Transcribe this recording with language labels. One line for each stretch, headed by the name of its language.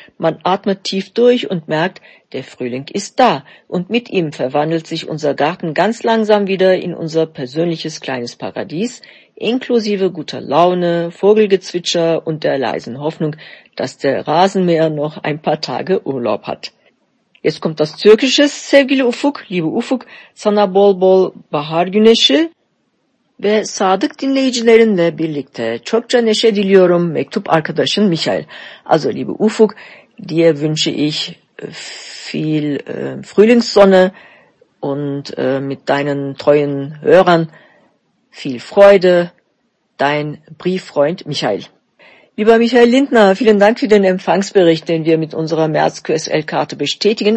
German: Man atmet tief durch und merkt, der Frühling ist da. Und mit ihm verwandelt sich unser Garten ganz langsam wieder in unser persönliches kleines Paradies, inklusive guter Laune, Vogelgezwitscher und der leisen Hoffnung, dass der Rasenmäher noch ein paar Tage Urlaub hat. Jetzt kommt das türkische
Turkish: Sevgili Ufuk,
German: liebe Ufuk,
Turkish: sana bol bol bahar güneşi ve sadık dinleyicilerinle birlikte çokça neşe diliyorum, mektup arkadaşın Michael.
German: Also, liebe Ufuk, dir wünsche ich viel Frühlingssonne und mit deinen treuen Hörern viel Freude, dein Brieffreund Michael. Lieber Michael Lindner, vielen Dank für den Empfangsbericht, den wir mit unserer März-QSL-Karte bestätigen.